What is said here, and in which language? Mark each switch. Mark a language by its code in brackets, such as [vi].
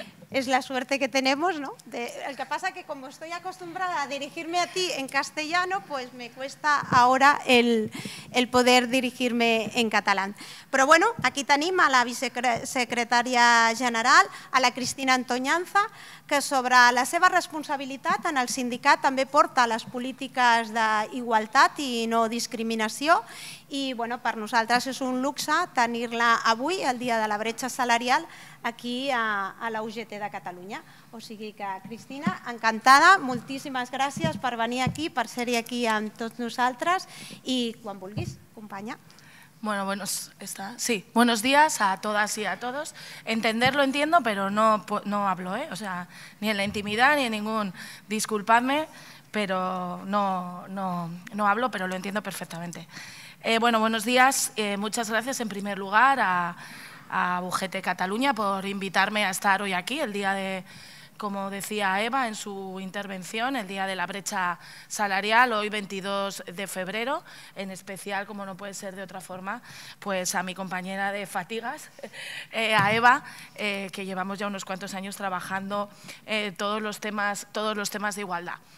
[es] es la suerte que tenemos, ¿no? El que pasa que como estoy acostumbrada a dirigirme a ti en castellano, pues me cuesta ahora el poder dirigirme en catalán. Pero bueno, aquí te animo a la vicesecretaria general, a la Cristina Antoñanza, que [ca] sobre la seva responsabilitat en el sindicat també porta les polítiques d'igualtat i no discriminació. I bueno, per nosaltres és un luxe tenir-la avui, el dia de la bretxa salarial, aquí a la UGT de Catalunya. O sigui que, Cristina, encantada, moltíssimes gràcies per venir aquí, per ser-hi aquí amb tots nosaltres i quan vulguis, companya. [es] Bueno, buenos días a todas y a todos. Entender lo entiendo, pero no hablo, ¿eh? O sea, ni en la intimidad ni en ningún, disculpadme, pero no hablo, pero lo entiendo perfectamente. Bueno, buenos días, muchas gracias en primer lugar a UGT Cataluña por invitarme a estar hoy aquí, el día de, como decía Eva en su intervención, el día de la brecha salarial, hoy 22 de febrero, en especial, como no puede ser de otra forma, pues a mi compañera de fatigas, a Eva, que llevamos ya unos cuantos años trabajando todos los temas de igualdad.